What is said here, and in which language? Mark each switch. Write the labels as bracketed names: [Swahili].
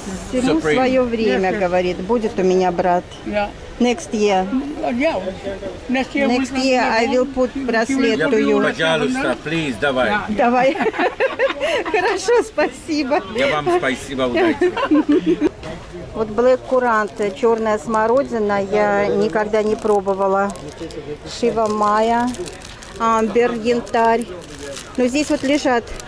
[Russian] Всему свое время, говорит, будет у меня брат. [English] Next year. Next year I will put bracelet to you. [Russian] Пожалуйста, [English] please, [Russian] давай. Давай. Хорошо, спасибо. Я вам спасибо, удачи. Вот Black Currant, черная смородина, я никогда не пробовала. Шива Майя, амбер, янтарь. Но здесь вот лежат...